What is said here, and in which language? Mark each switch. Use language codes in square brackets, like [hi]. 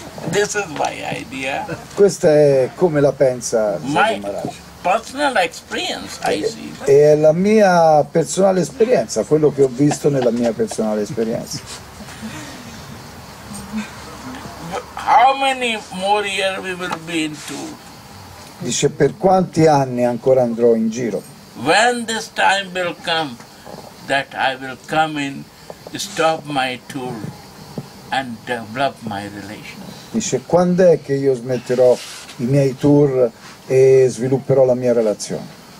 [en] This is my idea. [it] Questa è come la pensa [en] Sri Maharaj. Personal experience, I see. [it] È la mia personale esperienza, quello che ho visto nella mia personale esperienza. [en] How many more years we will be in tour? [it] Dice, per quanti anni ancora andrò in giro? [en] When this time will come that I will come in, stop my tour and develop my relations. [it] Dice, quando è che io smetterò i miei tour e svilupperò la mia relazione?